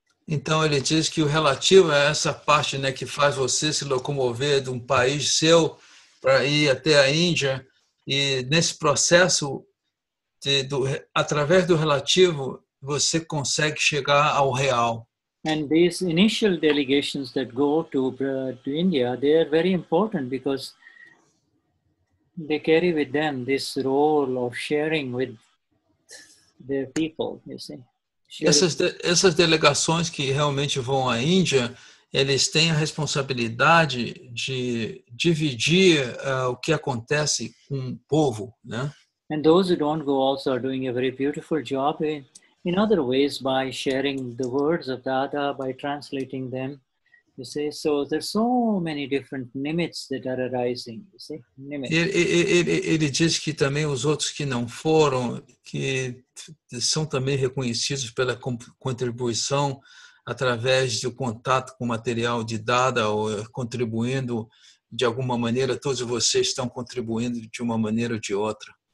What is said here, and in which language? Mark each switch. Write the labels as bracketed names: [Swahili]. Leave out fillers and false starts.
[Portuguese] Então ele diz que o relativo é essa parte, né, que faz você se locomover de um país seu para ir até a Índia. E nesse processo, através do relativo, você consegue chegar ao real. [English] And these initial delegations that go to India, they are very important because they carry with them this role of sharing with their people, you see. [Portuguese] Essas delegações que realmente vão à Índia, eles têm a responsabilidade de dividir o que acontece com o povo, né? [English] And those who don't go also are doing a very beautiful job in other ways by sharing the words of Dada, by translating them. You see, so there's so many different limits that are arising. You see, limits. [Portuguese] Ele diz que também os outros que não foram, que são também reconhecidos pela contribuição através do contato com o material de Dada, ou contribuindo de alguma maneira, todos vocês estão contribuindo de uma maneira ou de outra.